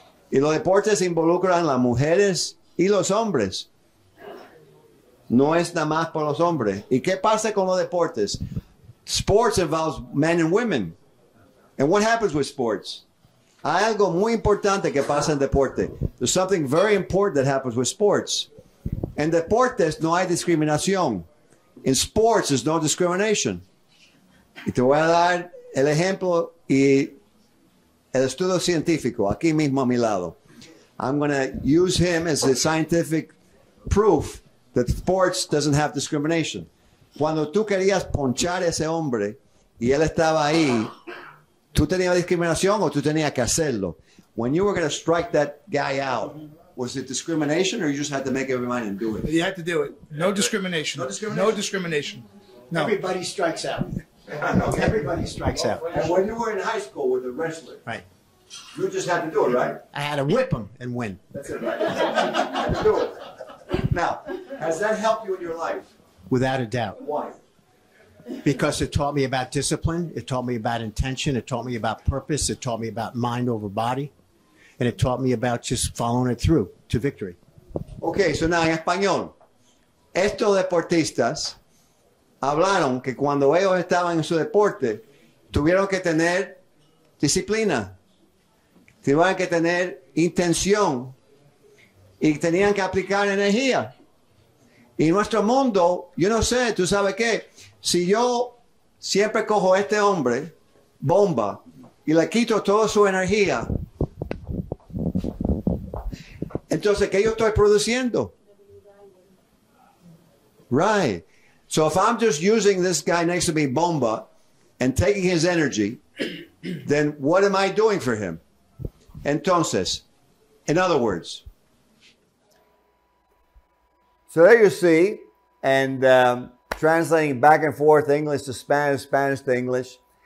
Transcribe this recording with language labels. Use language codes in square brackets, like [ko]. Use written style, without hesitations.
[es] Y los deportes involucran las mujeres y los hombres. No es nada más por los hombres. ¿Y qué pasa con los deportes? [en] Sports involves men and women. And what happens with sports? [es] Hay algo muy importante que pasa en deporte. [en] There's something very important that happens with sports. [es] En deportes no hay discriminación. [en] In sports, there's no discrimination. [es] Y te voy a dar el ejemplo y el estudio científico, aquí mismo a mi lado. [en] I'm going to use him as a scientific proof that sports doesn't have discrimination. [es] Cuando tú querías ponchar a ese hombre y él estaba ahí, ¿tú tenías discriminación o tú tenías que hacerlo? [en] When you were going to strike that guy out, was it discrimination or you just had to make up your mind and do it? You had to do it. No discrimination. No discrimination. No. Everybody strikes out. Okay. Everybody strikes out. And when you were in high school with a wrestler, right? You just had to do it, right? I had to whip him and win. That's it, right? You had to do it. Now, has that helped you in your life? Without a doubt. Why? Because it taught me about discipline. It taught me about intention. It taught me about purpose. It taught me about mind over body. And it taught me about just following it through to victory. Okay, so now in [es] español, estos deportistas hablaron que cuando ellos estaban en su deporte, tuvieron que tener disciplina, tuvieron que tener intención y tenían que aplicar energía. Y nuestro mundo, yo no sé, tú sabes qué, si yo siempre cojo a este hombre, bomba, y le quito toda su energía, entonces, ¿qué yo estoy produciendo? [en] Right. So if I'm just using this guy next to me, Bomba, and taking his energy, then what am I doing for him? Entonces, in other words. So there you see, and translating back and forth, English to Spanish, Spanish to English.